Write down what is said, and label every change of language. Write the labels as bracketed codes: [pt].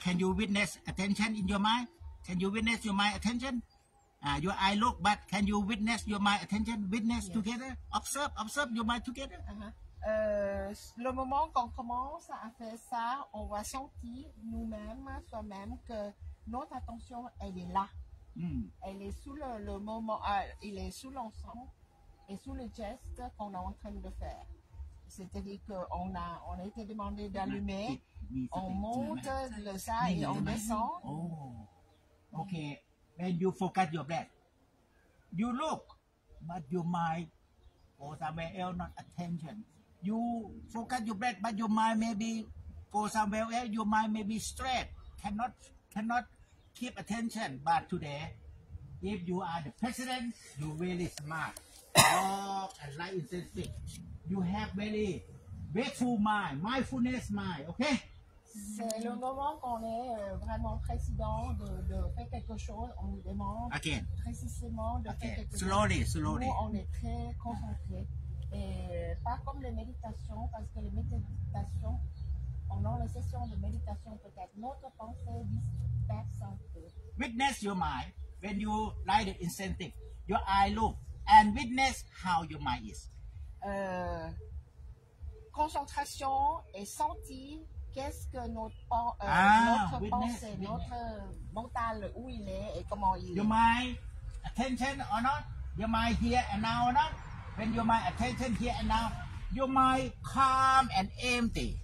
[en] Can you witness attention in your mind? Can you witness your mind attention? Your eye look, but can you witness your mind attention? Witness together. Observe your mind together. [fr] Le moment qu'on commence à faire ça, on va sentir soi-même que notre attention elle est là. Elle est sous le moment. Il est sous l'ensemble et sous le geste qu'on est en train de faire. C'est-à-dire qu'on a été demandé d'allumer. On monte le ça et on descend. [en] Oh, okay. When you focus your breath, you look, but your mind go somewhere else, not attention. You focus your breath, but your mind maybe go somewhere else. Your mind maybe stressed, cannot keep attention. But today, if you are the president, you really smart. Walk and light incense stick. You have very wakeful mind, mindfulness mind, okay? [fr] C'est le moment qu'on est vraiment président de faire quelque chose. On nous demande précisément de faire quelque chose. [en] Slowly. [fr] Nous, on est très concentré. Et pas comme les méditations, parce que les méditations, pendant les sessions de méditation, peut-être notre pensée disperse un peu. [en] Witness your mind when you light the incense stick. Your eye look and witness how your mind is. [fr] Concentration et sentir. Qu'est-ce que notre mental, où il est et comment il est? [en] Your mind attention or not? Your mind here and now or not? When your mind attention here and now, your mind calm and empty.